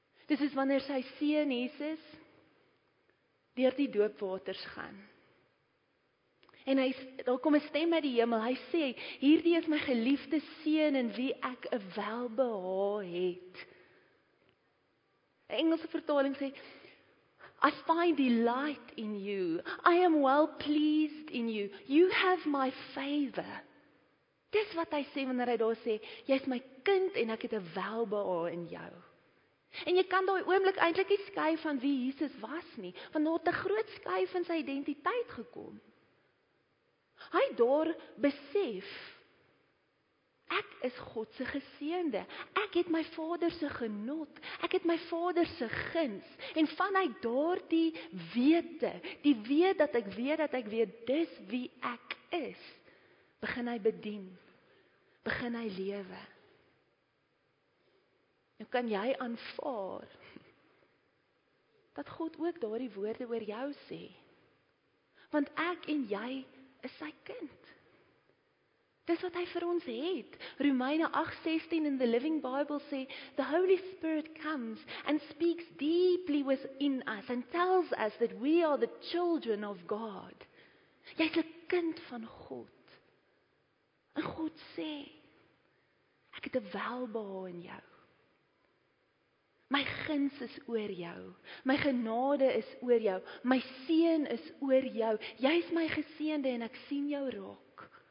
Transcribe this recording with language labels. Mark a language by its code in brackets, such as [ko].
[af] Dis is wanneer sy seun Jesus deur die doopwaters gaan. En hy, daar kom 'n stem uit die hemel, hy sê, hierdie is my geliefde seun in wie ek 'n welbehaag het. 'N Engelse vertaling sê, [en] I find delight in you, I am well pleased in you, you have my favor. [af] Dis wat hy sê wanneer hy daar sê, jy is my kind en ek het 'n welbehaag in jou. En jy kan daai oomblik eintlik nie skei van wie Jesus was nie, want daar het 'n groot skei van sy identiteit gekom. Hy daar besef, ek is God se geseënde, ek het my Vader se genot, ek het my Vader se guns, en vanuit daardie wete, die weet dat ek weet dat ek weet dis wie ek is, begin hy bedien, begin hy lewe. Nou kan jy aanvaar dat God ook daardie woorde oor jou sê. Want ek en jy is sy kind. Dis wat hy vir ons het. [en] Romeine 8:16 in the Living Bible sê, the Holy Spirit comes and speaks deeply within us and tells us that we are the children of God. [af] Jy is 'n kind van God. En God sê, ek het 'n welbehaag in jou. My guns is oor jou, my genade is oor jou, my seën is oor jou, jy is my geseënde en ek sien jou raak.